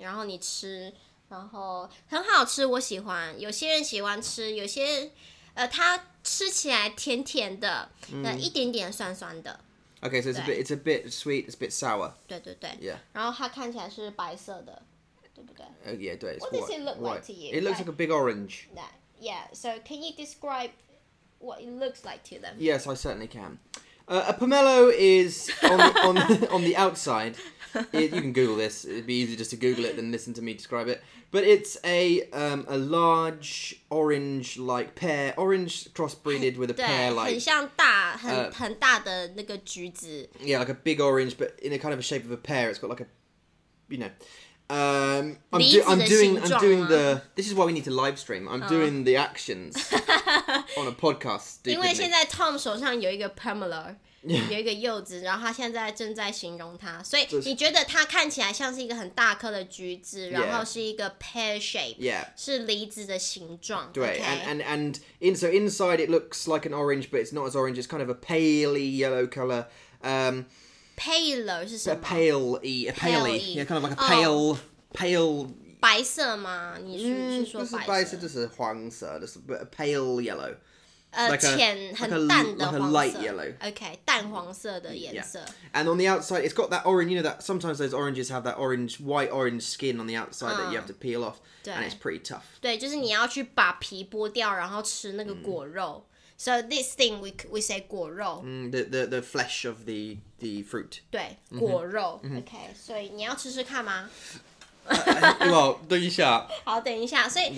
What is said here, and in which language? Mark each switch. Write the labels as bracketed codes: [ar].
[zh] 然后你吃，然后很好吃，我喜欢。有些人喜欢吃，有些它吃起来甜甜的，那一点点酸酸的。 [en] Okay, so it's a bit sweet, it's a bit sour. [zh] 对对对。 [en] Yeah. [zh] 然后它看起来是白色的，对不对？ Yeah, 对。 [en] What does it look like to you? It looks like a big orange. Yeah. So can you describe what it looks like to them? Yes, I certainly can. A pomelo is on the outside. You can Google this. It'd be easier just to Google it than listen to me describe it. But it's a large orange-like pear, orange cross-breeded with a pear-like. [zh] 很像大很大的那个橘子。 [en] Yeah, like a big orange, but in a kind of a shape of a pear. It's got like a, you know, I'm doing the. This is why we need to live stream. I'm doing the actions. On a podcast, stupidly. [zh] 因为现在 Tom 手上有一个 pomelo, 有一个柚子，然后他现在正在形容它，所以你觉得它看起来像是一个很大颗的橘子，然后是一个 [en] pear shape, [zh] 是梨子的形状。对 [en] okay. And inside it looks like an orange, but it's not as orange. It's kind of a paley yellow color. [zh] Paler 是什么？ [en] Paley, yeah, kind of like a pale. [zh] 白色吗？你是说白色？不是白色，就是黄色，就是 [en] pale yellow， [zh] 浅很淡的黄色。 [en] Like a light yellow. [zh] Okay, 淡黄色的颜色。 [en] And on the outside, it's got that orange. You know that sometimes those oranges have that orange, white orange skin on the outside that you have to peel off, and it's pretty tough. [zh] 对，就是你要去把皮剥掉，然后吃那个果肉。 [en] So this thing we say 果肉。 The flesh of the fruit. [zh] 对，果肉。Okay, 所以你要吃吃看吗？ well, 等一下。好，等一下。所以